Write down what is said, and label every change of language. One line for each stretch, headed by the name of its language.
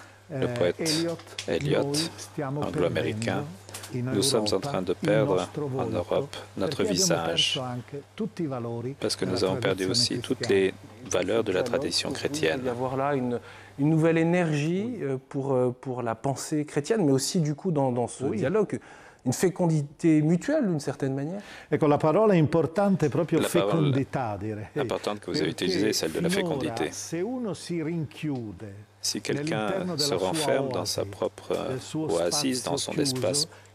French: Le poète Eliot, anglo-américain, nous sommes en train de perdre en Europe notre visage parce que nous avons perdu aussi toutes les valeurs de la tradition chrétienne. Il y a là une nouvelle énergie pour la pensée chrétienne, mais aussi du coup dans ce dialogue, une fécondité mutuelle d'une certaine manière.
Italian: Ecco, la parola importante è proprio fecondità, dire.
French: L'importante que vous avez utilisée, celle de la fécondité. Si quelqu'un se renferme dans sa propre oasis, dans son espace